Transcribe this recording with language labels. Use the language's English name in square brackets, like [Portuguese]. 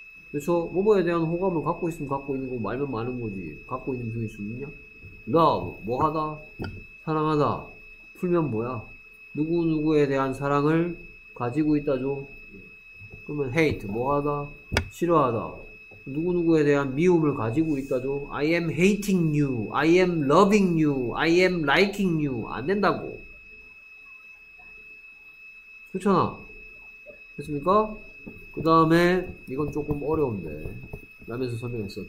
[Korean] 그래서 뭐뭐에 대한 호감을 갖고 있으면 갖고 있는 거 말면 많은 거지 갖고 있는 중일 수 있냐? Love 뭐하다? 사랑하다 풀면 뭐야? 누구누구에 대한 사랑을 가지고 있다죠? 그러면 hate 뭐하다? 싫어하다 누구누구에 대한 미움을 가지고 있다죠? [English] I am hating you I am loving you I am liking you [Korean] 안 된다고 그렇잖아. 됐습니까? 그 다음에 이건 조금 어려운데 라면서 설명했어.